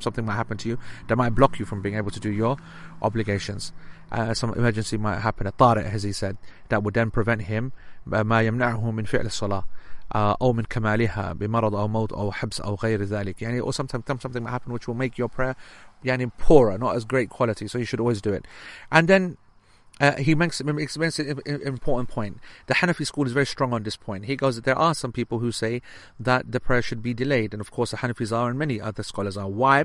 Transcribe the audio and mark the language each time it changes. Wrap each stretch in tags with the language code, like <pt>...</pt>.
<en>Something might happen to you that might block you from being able to do your obligations. Some emergency might happen, a tariq, as he said, that would then prevent him.</en> <ar>ما يمنعه من فعل الصلاة أو من كمالها بمرض أو موت أو حبس أو غير ذلك.</ar> <en>Or sometimes something might happen which will make your prayer poorer, not as great quality. So you should always do it. And then he makes an important point. The Hanafi school is very strong on this point. He goes that there are some people who say that the prayer should be delayed, and of course the Hanafis are, and many other scholars are. Why?</en>